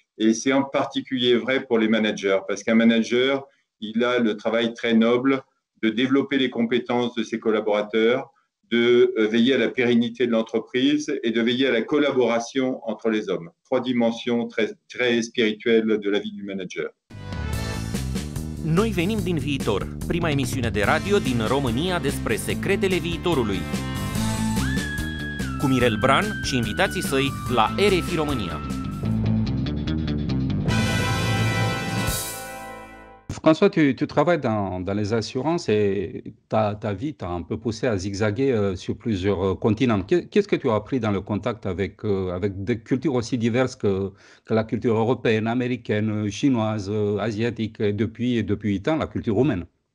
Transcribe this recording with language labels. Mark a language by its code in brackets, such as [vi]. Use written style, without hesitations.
[fr] Et c'est en particulier vrai pour les managers, parce qu'un manager, il a le travail très noble de développer les compétences de ses collaborateurs, de veiller à la pérennité de l'entreprise et de veiller à la collaboration entre les hommes. Trois dimensions très, très spirituelles de la vie du manager. [ro] Noi venim din viitor, prima emisiune de radio din România despre secretele viitorului. Cu Mirel Bran și invitații săi la RFI România. [fr] François, tu travailles dans les assurances et ta vie t'a un peu poussé à zigzaguer sur plusieurs continents. Qu'est-ce que tu as appris dans le contact avec des cultures aussi diverses que la culture européenne, américaine, chinoise, asiatique, et depuis 8 ans, la culture roumaine?